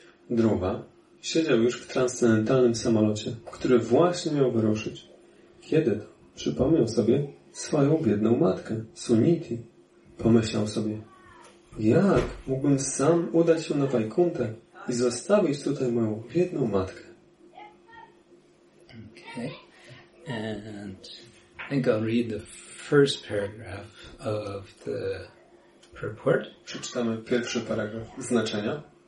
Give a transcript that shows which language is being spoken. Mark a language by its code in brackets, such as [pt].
[pl] Dhruva siedział już w transcendentalnym samolocie, który właśnie miał wyruszyć. Kiedy to? Przypomniał sobie, swoją biedną matkę, Suniti. Pomyślał sobie, jak mógłbym sam udać się na Vaikunthę i zostawić tutaj moją biedną matkę. [en] Okay. And I think I'll read the first paragraph of the purport. [pl] Przeczytamy pierwszy paragraf znaczenia.